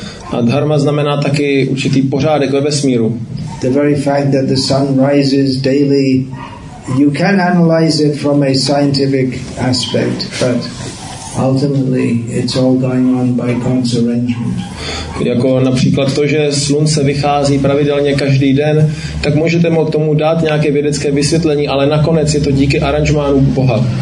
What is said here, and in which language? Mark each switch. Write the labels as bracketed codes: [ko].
[cs] A dharma znamená taky určitý pořádek ve vesmíru. [en] The very fact that the sun rises daily, you can analyze it from a scientific aspect, but ultimately, it's all going on by God's arrangement. [cs] Jako například to, že slunce vychází pravidelně každý den, tak můžete mu k tomu dát nějaké vědecké vysvětlení, ale nakonec je to díky aranžmánu Boha.